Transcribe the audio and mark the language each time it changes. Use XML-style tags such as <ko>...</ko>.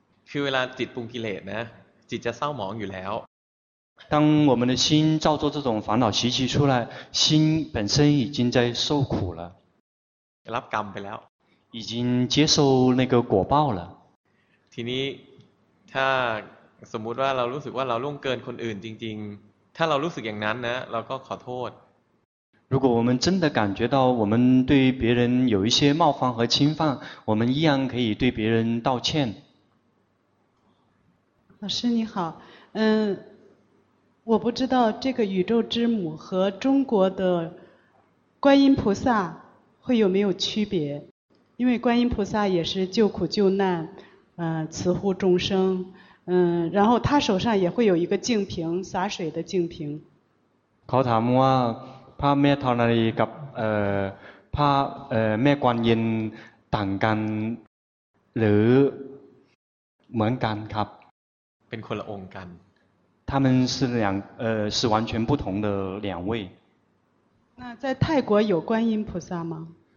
<th>คือเวลาจิตปรุงกิเลสนะจิตจะเศร้าหมองอยู่แล้ว</th> <zh>当我们的心造作这种烦恼习气出来，心本身已经在受苦了，</zh> <th>รับกรรมไปแล้ว</th> <zh>已经接受那个果报了。</zh> <th>ทีนี้ถ้าสมมุติว่าเรารู้สึกว่าเราล่วงเกินคนอื่นจริงๆถ้าเรารู้สึกอย่างนั้นนะเราก็ขอโทษ</th> <zh>如果我们真的感觉到我们对别人有一些冒犯和侵犯，我们一样可以对别人道歉。老师你好，嗯。我不知道这个宇宙之母和中国的观音菩萨会有没有区别，因为观音菩萨也是救苦救难，慈护众生，然后他手上也会有一个净瓶，洒水的净瓶。</zh> <th>เขาถามว่าพระแม่ธรณีกับพระแม่กวนยินต่างกันหรือเหมือนกันครับ เป็นคนละองค์กัน</th> <zh>他们是两是完全不同的两位。那在泰国有观音菩萨吗？</zh>